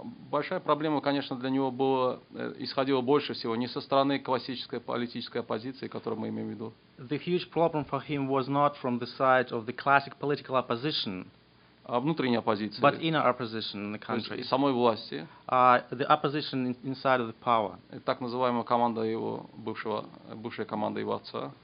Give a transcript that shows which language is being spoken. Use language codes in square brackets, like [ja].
[ru] Большая проблема, конечно, для него была, исходила больше всего не со стороны классической политической оппозиции, которую мы имеем в виду. [en] The huge problem for him was not from the side of the classic political opposition. [ru] А внутренняя оппозиция. [en] But inner opposition in the country. [ru] То есть, самой власти. [en] The opposition inside of the power. [ru] Так называемая команда его бывшего, бывшая команда его отца.